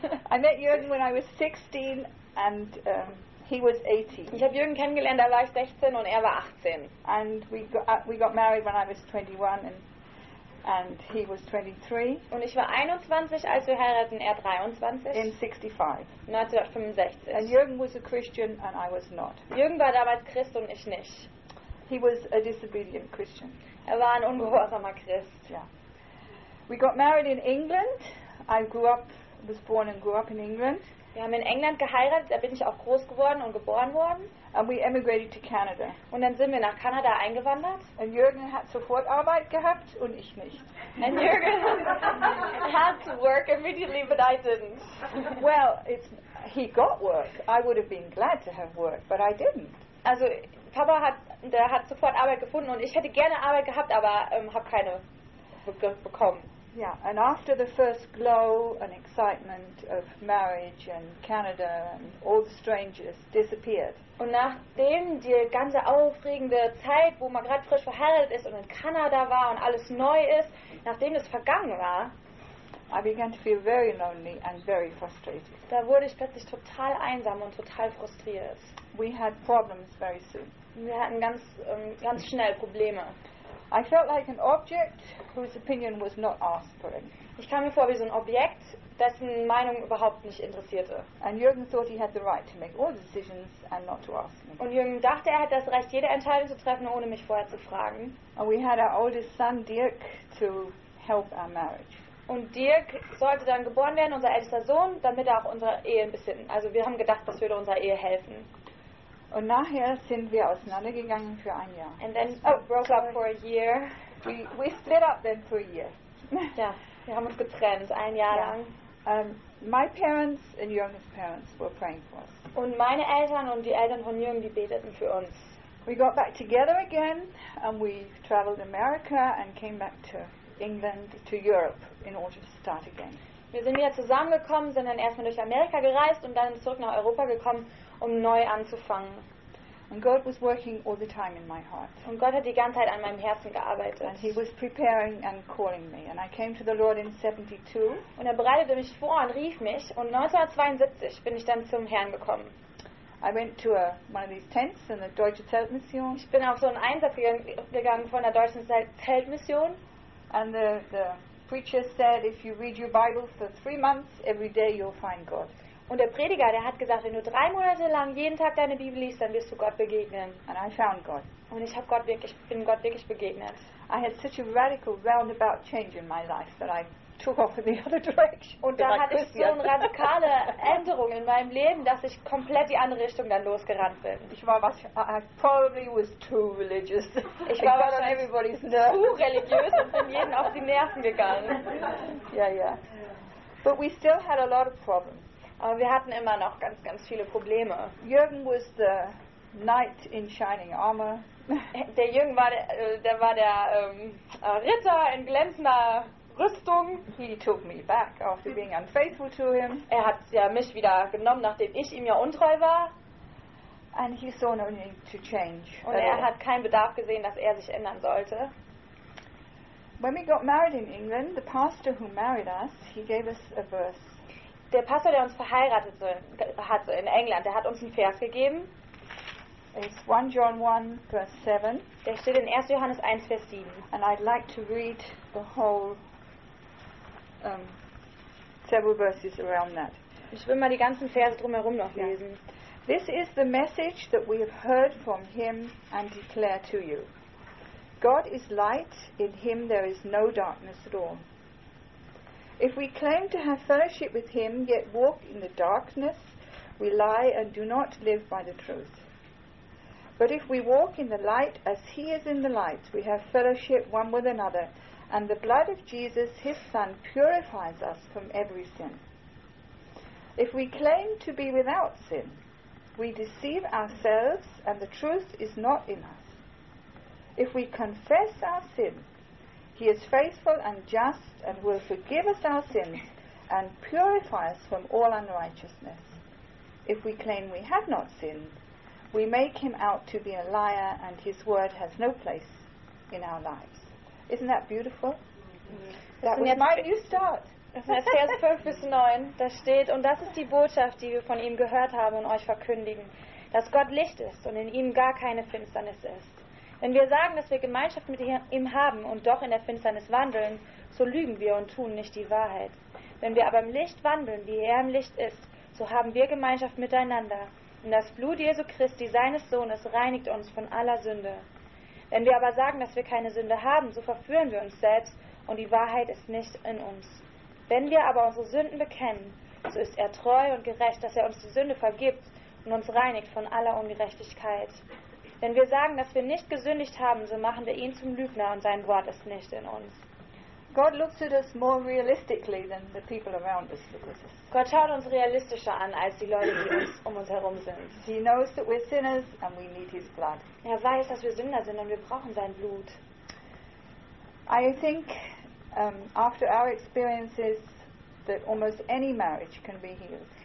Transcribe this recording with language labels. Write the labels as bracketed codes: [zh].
[en] I met Jürgen when I was 16 and he was 18. [de] Ich habe Jürgen kennengelernt, da war ich 16 und er war 18. [en] And we got married when I was 21 and he was 23. [de] Und ich war 21, als wir heiraten, er 23. [en] In 65. [de] 1965. [en] And Jürgen was a Christian and I was not. [de] Jürgen war damals Christ und ich nicht. [en] He was a disobedient Christian. [de] Er war ein ungehorsamer Christ. [en] Yeah. We got married in England. I grew up, was born and grew up in England. [de] Wir haben in England geheiratet, da bin ich auch groß geworden und geboren worden. [en] And we emigrated to Canada. [de] Und dann sind wir nach Kanada eingewandert. Und Jürgen hat sofort Arbeit gehabt und ich nicht. [en] And Jürgen had to work immediately, but I didn't. Well, he got work. I would have been glad to have work, but I didn't. [de] Also Papa hat sofort Arbeit gefunden und ich hätte gerne Arbeit gehabt, aber habe keine bekommen. [en] Yeah, and after the first glow and excitement of marriage and Canada and all the strangers disappeared. [de] Und nachdem die ganze aufregende Zeit, wo man gerade frisch verheiratet ist und in Kanada war und alles neu ist, nachdem das vergangen war, [en] I began to feel very lonely and very frustrated. [de] Da wurde ich plötzlich total einsam und total frustriert. [en] We had problems very soon. [de] Wir hatten ganz ganz schnell Probleme. [en] I felt like an object whose opinion was not asked for it. [de] Ich kam mir vor wie so ein Objekt, dessen Meinung überhaupt nicht interessierte. [en] And Jürgen thought he had the right to make all decisions and not to ask me. [de] Und Jürgen dachte, er hat das Recht, jede Entscheidung zu treffen, ohne mich vorher zu fragen. [en] And we had our oldest son Dirk to help our marriage. [de] Und Dirk sollte dann geboren werden, unser ältester Sohn, damit er auch unsere Ehe ein bisschen, also wir haben gedacht, das würde unserer Ehe helfen. Und nachher sind wir auseinandergegangen für ein Jahr. [en] And then we broke up for a year. We split up then for a year. [de] Ja, wir haben uns getrennt, ein Jahr lang. [en] My parents and Jürgen's parents were praying for us. [de] Und meine Eltern und die Eltern von Jürgen, die beteten für uns. [en] We got back together again and we traveled America and came back to England, to Europe in order to start again. [de] Wir sind wieder zusammengekommen, sind dann erstmal durch Amerika gereist und dann zurück nach Europa gekommen, um neu anzufangen. [en] And God was working all the time in my heart. [de] Und Gott hat die ganze Zeit an meinem Herzen gearbeitet. [en] And he was preparing and calling me. And I came to the Lord in 72. [de] Und er bereitete mich vor und rief mich. Und 1972 bin ich dann zum Herrn gekommen. [en] I went to one of these tents in the Deutsche Zeltmission. [de] Ich bin auf so einen Einsatz gegangen von der Deutschen Zeltmission. [en] And the preacher said, if you read your Bible for 3 months, every day you'll find God. [de] Und der Prediger, der hat gesagt, wenn du 3 Monate lang jeden Tag deine Bibel liest, dann wirst du Gott begegnen. [en] And I found God. [de] Und ich bin Gott wirklich begegnet. [en] I had such a radical roundabout change in my life that I took off in the other direction. [de] Und da hatte ich so eine radikale Änderung in meinem Leben, dass ich komplett die andere Richtung dann losgerannt bin. Ich war wahrscheinlich, [en] I probably was too religious. [de] Ich war wahrscheinlich zu religiös und bin jeden auf die Nerven gegangen. [en] Yeah. But we still had a lot of problems. [de] Aber wir hatten immer noch ganz, ganz viele Probleme. [en] Jürgen was the knight in shining armor. [de] Der Jürgen war der Ritter in glänzender Rüstung. [en] He took me back after being unfaithful to him. [de] Er hat ja mich wieder genommen, nachdem ich ihm ja untreu war. [en] And he saw no need to change. [de] Und er hat keinen Bedarf gesehen, dass er sich ändern sollte. [en] When we got married in England, the pastor who married us, he gave us a verse. [de] Der Pastor, der uns verheiratet hat in England, der hat uns einen Vers gegeben. [en] It's 1 John 1, verse 7. [de] Der steht in 1. Johannes 1, Vers 7. [en] And I'd like to read the whole several verses around that. [de] Ich will mal die ganzen Verse drumherum noch lesen. [en] This is the message that we have heard from him and declare to you. God is light, in him there is no darkness at all. If we claim to have fellowship with him, yet walk in the darkness, we lie and do not live by the truth. But if we walk in the light as he is in the light, we have fellowship one with another, and the blood of Jesus, his Son, purifies us from every sin. If we claim to be without sin, we deceive ourselves, and the truth is not in us. If we confess our sin, he is faithful and just and will forgive us our sins and purify us from all unrighteousness. If we claim we have not sinned, we make him out to be a liar, and his word has no place in our lives. Isn't that beautiful? Mm-hmm. That was my new start. [de] Das ist Vers 5 bis 9, da steht, und das ist die Botschaft, die wir von ihm gehört haben und euch verkündigen, dass Gott Licht ist und in ihm gar keine Finsternis ist. Wenn wir sagen, dass wir Gemeinschaft mit ihm haben und doch in der Finsternis wandeln, so lügen wir und tun nicht die Wahrheit. Wenn wir aber im Licht wandeln, wie er im Licht ist, so haben wir Gemeinschaft miteinander. Und das Blut Jesu Christi, seines Sohnes, reinigt uns von aller Sünde. Wenn wir aber sagen, dass wir keine Sünde haben, so verführen wir uns selbst und die Wahrheit ist nicht in uns. Wenn wir aber unsere Sünden bekennen, so ist er treu und gerecht, dass er uns die Sünde vergibt und uns reinigt von aller Ungerechtigkeit. Wenn wir sagen, dass wir nicht gesündigt haben, so machen wir ihn zum Lügner und sein Wort ist nicht in uns. [en] God looks at us more realistically than the people around us look at us. [de] Gott schaut uns realistischer an als die Leute, die um uns herum sind. [en] He knows that we're sinners and we need his blood. [de] Er weiß, dass wir Sünder sind und wir brauchen sein Blut. [en] I think after our experiences that almost any marriage can be healed.